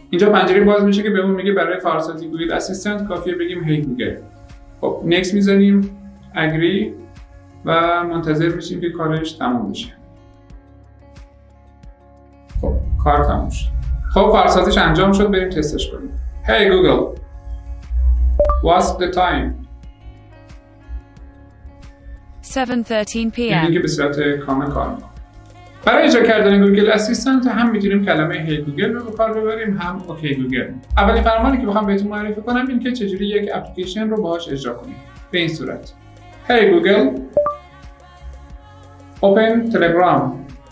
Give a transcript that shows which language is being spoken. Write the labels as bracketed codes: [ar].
[fa] اینجا پنجره باز میشه که بهمون میگه برای فعال سازی گوگل اسیستنت کافیه بگیم هی گوگل. خب نکس میزنیم، اگری و منتظر میشیم که کارش تموم بشه. خب کار تموم شد. خب فعال سازیش انجام شد، بریم تستش کنیم. [en] Hey Google, what's the time? 7:13 PM. [fa] این که به صورت کامل کار میکنه. برای اجرا کردن گوگل اسیستنت هم میتونیم کلمه هی گوگل رو به کار ببریم، هم اوکی گوگل. اولین فرمانی که بخوام بهتون معرفی کنم این که چجوری یک اپلیکیشن رو باهاش اجرا کنیم. به این صورت: [en] Hey Google, open Telegram.